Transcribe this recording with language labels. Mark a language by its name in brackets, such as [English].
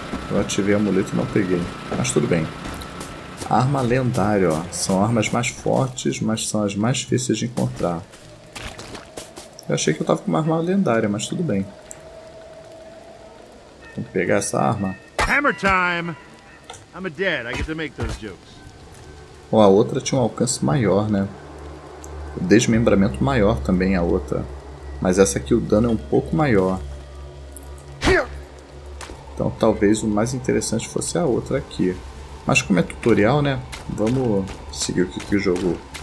[Portuguese] Eu ativei o amuleto e não peguei. Mas tudo bem. Arma lendária, ó. São armas mais fortes, mas são as mais difíceis de encontrar. Eu achei que eu tava com uma arma lendária, mas tudo bem. Vamos pegar essa arma. [English] Hammer time! I'm a dead, I get to make those jokes. [Portuguese] Ó, a outra tinha um alcance maior, né? O desmembramento maior também a outra. Mas essa aqui o dano é um pouco maior. Então talvez o mais interessante fosse a outra aqui. Mas como é tutorial, né? Vamos seguir o que o jogo.